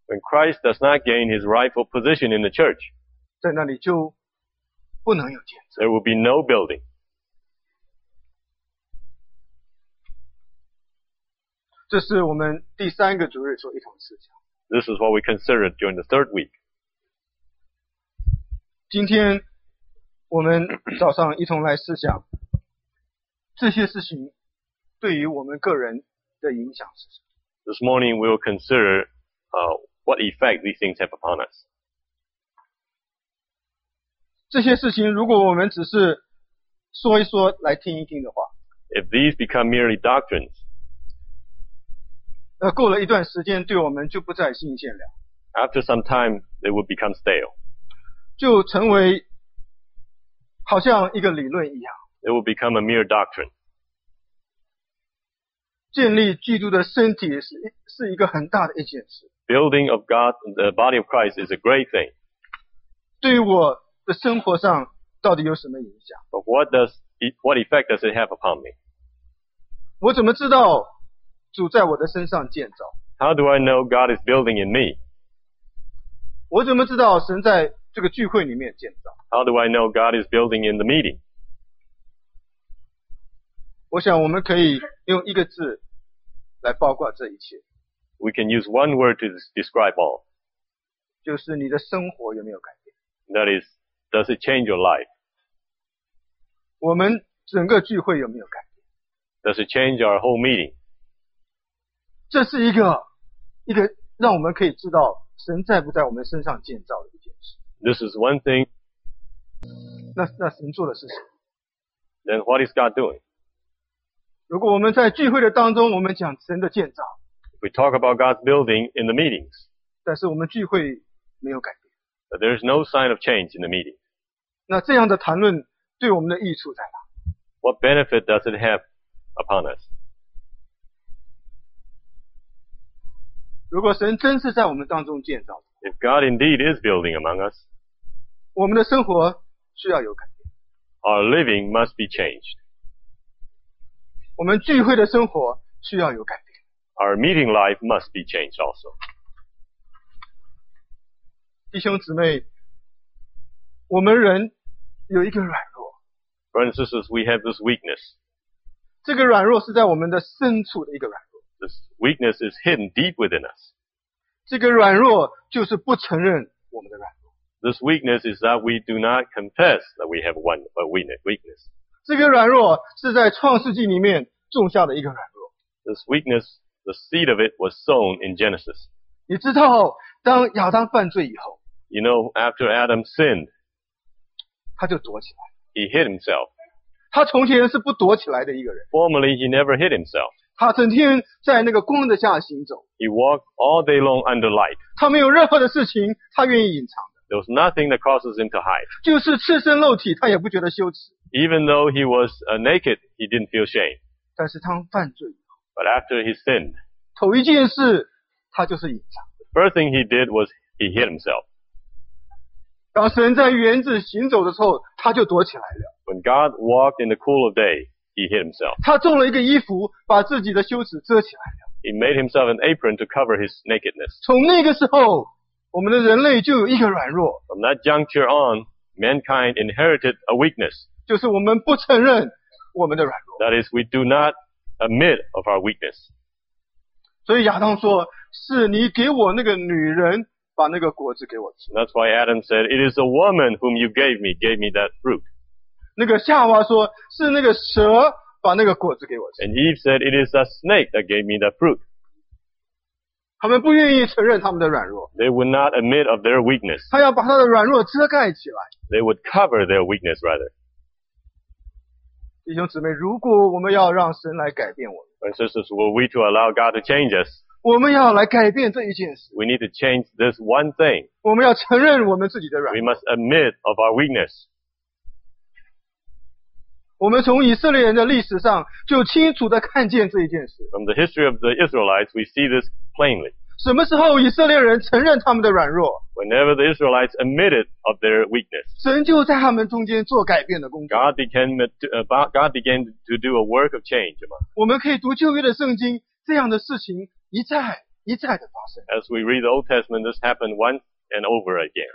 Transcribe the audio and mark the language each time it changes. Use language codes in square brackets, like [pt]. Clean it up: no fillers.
[en] when Christ does not gain his rightful position in the church, [zh] 在那里就不能有建造。 [en] There will be no building. [zh] 这是我们第三个主日所一同思想。 [en] This is what we considered during the third week. [zh] 今天我们早上一同来思想这些事情对于我们个人的影响是什么。 [en] This morning we will consider what effect these things have upon us. [zh] 这些事情如果我们只是说一说来听一听的话， [en] If these become merely doctrines, [zh] 过了一段时间对我们就不再新鲜了。 [en] After some time, they will become stale. [zh] 就成为好像一个理论一样。 [en] It will become a mere doctrine. [zh] 建立基督的身体 是一个很大的一件事。 [en] Building of God, the body of Christ is a great thing. [zh] 对于我的生活上到底有什么影响？ [en] But what effect does it have upon me? [zh] 我怎么知道主在我的身上建造？ [en] How do I know God is building in me? [zh] 我怎么知道神在这个聚会里面建造？ [en] How do I know God is building in the meeting? [zh] 我想我们可以用一个字来包括这一切。 [en] We can use one word to describe all. [zh] 就是你的生活有没有改变。 [en] That is, does it change your life? [zh] 我们整个聚会有没有改变。 [en] Does it change our whole meeting? [zh] 这是一个让我们可以知道神在不在我们身上建造的一件事。 [en] This is one thing. [zh] 那神做的是什么？ [en] Then what is God doing? [zh] 如果我们在聚会的当中，我们讲神的建造。 [en] If we talk about God's building in the meetings. [zh] 但是我们聚会没有改变。 [en] But there is no sign of change in the meeting. [zh] 那这样的谈论对我们的益处在哪？ [en] What benefit does it have upon us? [zh] 如果神真是在我们当中建造。 [en] If God indeed is building among us. [zh] 我们的生活需要有改变。 [en] Our living must be changed. [zh] 我们聚会的生活需要有改变。 [en] Our meeting life must be changed also. [zh] 弟兄姊妹，我们人有一个软弱。 [en] Brothers and sisters, we have this weakness. [zh] 这个软弱是在我们的深处的一个软弱。 [en] This weakness is hidden deep within us. [zh] 这个软弱就是不承认我们的软弱。 [en] This weakness is that we do not confess that we have one weakness. [zh] 这个软弱是在创世纪里面种下的一个软弱。 [en] This weakness, the seed of it was sown in Genesis. [zh] 你知道，当亚当犯罪以后 [en] ，You know, after Adam sinned, [zh] 他就躲起来。 [en] He hid himself. [zh] 他从前是不躲起来的一个人。 [en] Formerly, he never hid himself. [zh] 他整天在那个光的下行走。 [en] He walked all day long under light. [zh] 他没有任何的事情，他愿意隐藏。 [en] There was nothing that causes him to hide. [zh] 就是赤身露体，他也不觉得羞耻。 [en] Even though he was naked, he didn't feel shame. [zh] 但是他犯罪。 [en] But after he sinned, [zh] 头一件事他就是隐藏。 [en] The first thing he did was he hid himself. [zh] 当神在园子行走的时候，他就躲起来了。 [en] When God walked in the cool of day, he hid himself. [zh] 他做了一个衣服，把自己的羞耻遮起来了。 [en] He made himself an apron to cover his nakedness. [zh] 从那个时候，我们的人类就有一个软弱。 [en] From that juncture on, mankind inherited a weakness. [zh] 就是我们不承认我们的软弱。 [en] That is, we do not admit of our weakness. [zh] 所以亚当说，是你给我那个女人把那个果子给我吃。 [en] That's why Adam said, it is the woman whom you gave me that fruit. [zh] 那个夏娃说，是那个蛇把那个果子给我吃。 [en] And Eve said, it is the snake that gave me that fruit. [zh] 他们不愿意承认他们的软弱。 [en] They would not admit of their weakness. [zh] 他要把他的软弱遮盖起来。 [en] They would cover their weakness rather. [zh] 弟兄姊妹，如果我们要让神来改变我们 [en] sisters, were we to allow God to change us, [zh] 我们要来改变这一件事。 [en] We need to change this one thing. [zh] 我们要承认我们自己的软弱。 [en] We must admit of our weakness. [zh] 我们从以色列人的历史上就清楚地看见这一件事。 [en] From the history of the Israelites, we see this plainly. [zh] 什么时候以色列人承认他们的软弱？ [en] Whenever the Israelites admitted of their weakness. [zh] 神就在他们中间做改变的工作。 [en] God began to do a work of change. [zh] 我们可以读旧约的圣经，这样的事情一再一再的发生。 [en] As we read the Old Testament, this happened once and over again.